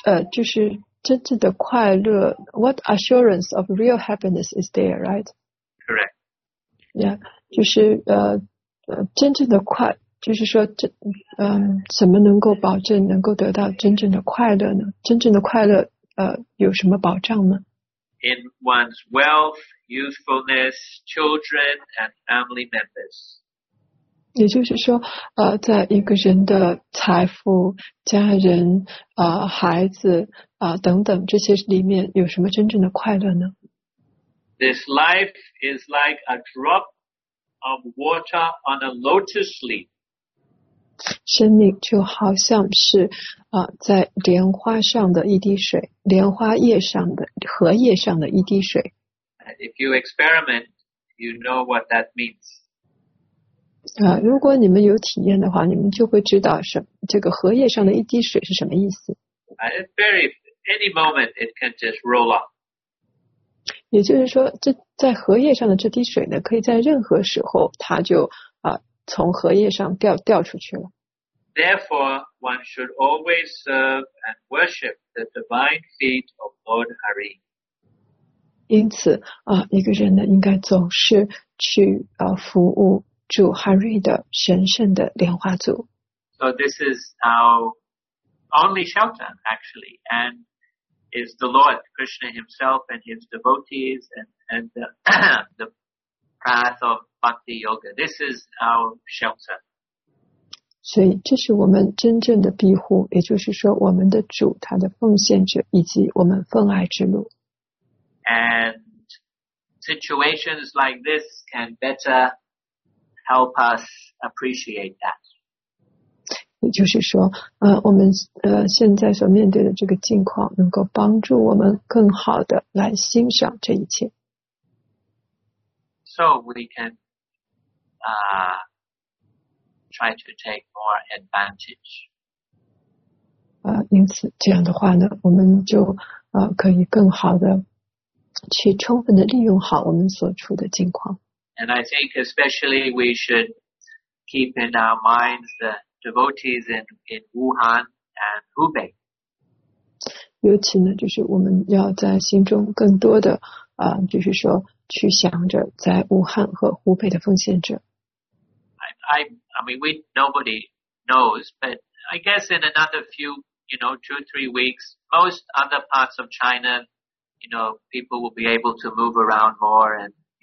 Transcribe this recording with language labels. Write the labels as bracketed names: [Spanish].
[Chinese] 它就说到说，真正的快乐， [English] what assurance of real happiness is there, right? Correct. [Chinese] Yeah, 就是真正的快乐，能够得到真正的快乐呢？真正的快乐，有什么保障呢？ [English] In one's wealth, youthfulness, children, and family members. [Chinese] 也就是说，在一个人的财富、家人、孩子等等这些里面，有什么真正的快乐呢？ [English] This life is like a drop of water on a lotus leaf. [Chinese] 生命就好像是在莲花上的一滴水，莲花叶上的荷叶上的一滴水。 [English] If you experiment, you know what that means. [Chinese] 如果你们有体验的话，你们就会知道什么这个荷叶上的一滴水是什么意思。 [English] Any moment it can just roll off. [Chinese] 也就是说，这在荷叶上的这滴水呢，可以在任何时候它就从荷叶上掉出去了。 [English] Therefore, one should always serve and worship the divine feet of Lord Hari. [Chinese] 因此一个人呢，应该总是去服务主哈瑞的神圣的莲花座。 [English] So this is our only shelter, actually, and is the Lord Krishna himself and his devotees and the path of Bhakti Yoga. This is our shelter. [Chinese] 所以这是我们真正的庇护，也就是说我们的主，他的奉献者，以及我们奉爱之路。 [English] And situations like this can better help us appreciate that. [Chinese] 也就是说我们现在所面对的这个境况能够帮助我们更好的来欣赏这一切。 [English] So we can try to take more advantage. [Chinese] 因此这样的话呢，我们就可以更好的去充分的利用好我们所处的境况。 [English] And I think especially we should keep in our minds the devotees in Wuhan and Hubei. [Chinese] 尤其呢，就是我们要在心中更多的就是说去想着在武汉和湖北的奉献者。 [English] I mean, we nobody knows, but I guess in another few, you know, two or three weeks, most other parts of China, you know, people will be able to move around more and.